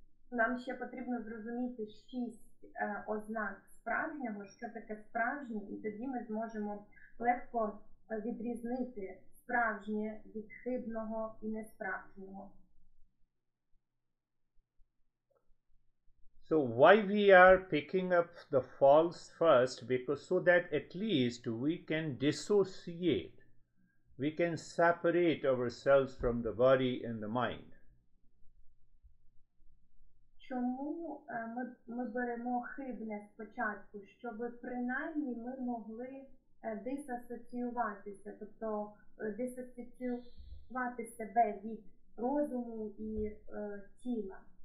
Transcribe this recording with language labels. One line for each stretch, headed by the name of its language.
Ukrainian: Нам ще потрібно зрозуміти шість ознак справжнього, що таке справжнє, і тоді ми зможемо легко відрізнити справжнє від хибного і несправжнього.
English: So why we are picking up the false first? Because so that at least we can dissociate. We can separate ourselves from the body and the mind.
Ukrainian: Чому ми беремо хибне спочатку, щоб принаймні ми могли дисасоціюватися, тобто дисасоціювати себе від розуму і тіла.